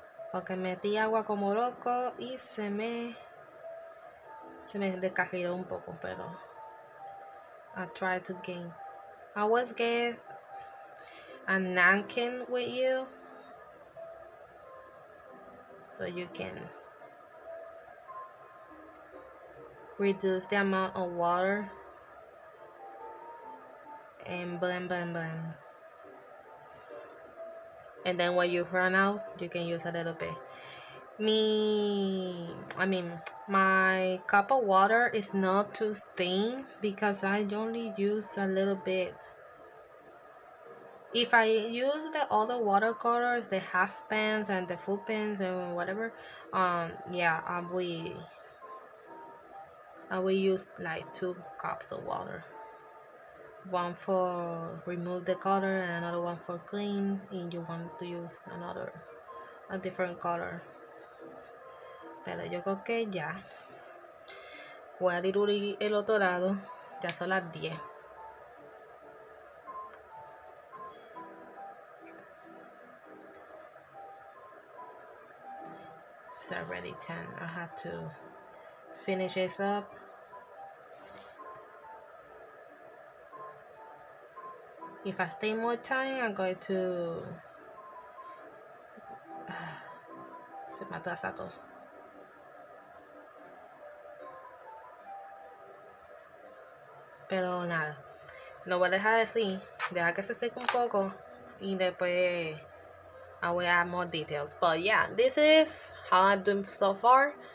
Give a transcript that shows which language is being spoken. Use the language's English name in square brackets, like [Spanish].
[Spanish] Porque metí agua como loco y se me descarriló un poco, pero [English] I tried to gain. I was get a nankin with you so you can reduce the amount of water and blend. And then when you run out, you can use a little bit. My cup of water is not too stained because I only use a little bit. If I use the other watercolors, the half pens and the full pens and whatever, I will use like 2 cups of water. One for remove the color and another one for clean, and you want to use a different color. [Spanish] Pero yo creo que ya voy a diluir el otro lado. Ya son las 10. [English] It's already 10. I have to finish this up. If I stay more time, I'm going to [Spanish] se me atrasa todo. Pero nada, no voy a dejar de así. Deja que se seque un poco y después [English] I will add more details. But yeah, this is how I'm doing so far.